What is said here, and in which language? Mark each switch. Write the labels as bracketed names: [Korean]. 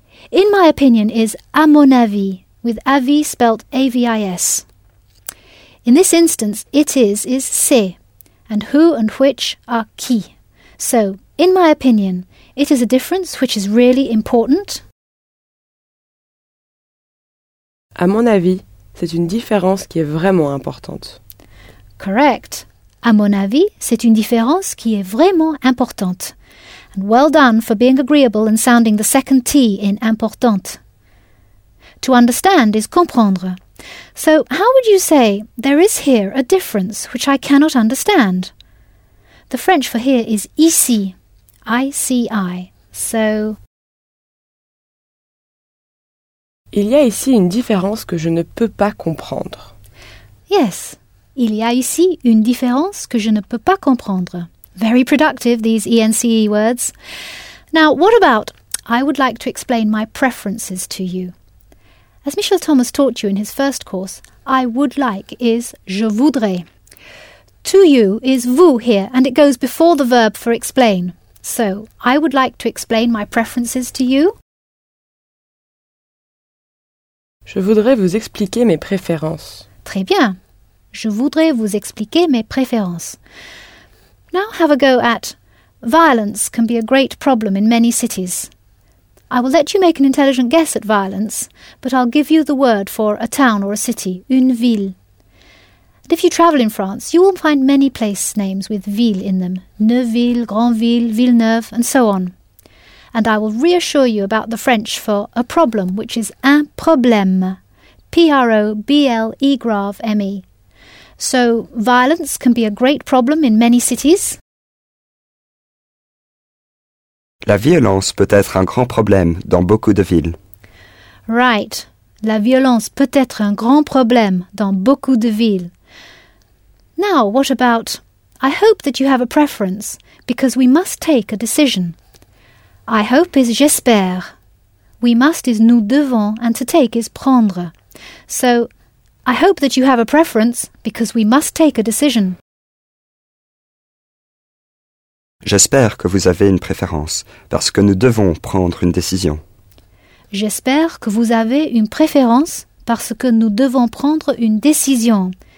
[English] In my opinion is [French] à mon avis, [English] with avis spelt A-V-I-S. In this instance, it is c'est, and who and which are qui. So, in my opinion, it is a difference which is really important. [French] À mon avis, c'est une différence qui est vraiment importante. [English] Correct. [French] À mon avis, c'est une différence qui est vraiment importante. [English] And well done for being agreeable and sounding the second T in importante. To understand is comprendre. So, how would you say, there is here a difference which I cannot understand? The French for here is ici, I-C-I. So... [French] il y a ici une différence que je ne peux pas comprendre. Yes, il y a ici une différence que je ne peux pas comprendre. [English] Very productive, these ence words. Now, what about, I would like to explain my preferences to you. As Michel Thomas taught you in his first course, I would like is [French] je voudrais. [English] To you is vous here, and it goes before the verb for explain. So, I would like to explain my preferences to you. [French] Je voudrais vous expliquer mes préférences. Très bien. Je voudrais vous expliquer mes préférences. [English] Now have a go at violence can be a great problem in many cities. I will let you make an intelligent guess at violence, but I'll give you the word for a town or a city, une ville. And if you travel in France, you will find many place names with ville in them, Neuville, Grandville, Villeneuve, and so on. And I will reassure you about the French for a problem, which is un problème, P-R-O-B-L-E-G-R-A-V-M-E. So, violence can be a great problem in many cities. [French] La violence peut être un grand problème dans beaucoup de villes. [English] Right. [French] La violence peut être un grand problème dans beaucoup de villes. [English] Now, what about... I hope that you have a preference, because we must take a decision. I hope is [French] j'espère. [English] We must is [French] nous devons, [English] and to take is prendre. So, I hope that you have a preference, because we must take a decision. [French] J'espère que vous avez une préférence, parce que nous devons prendre une décision. J'espère que vous avez une préférence, parce que nous devons prendre une décision.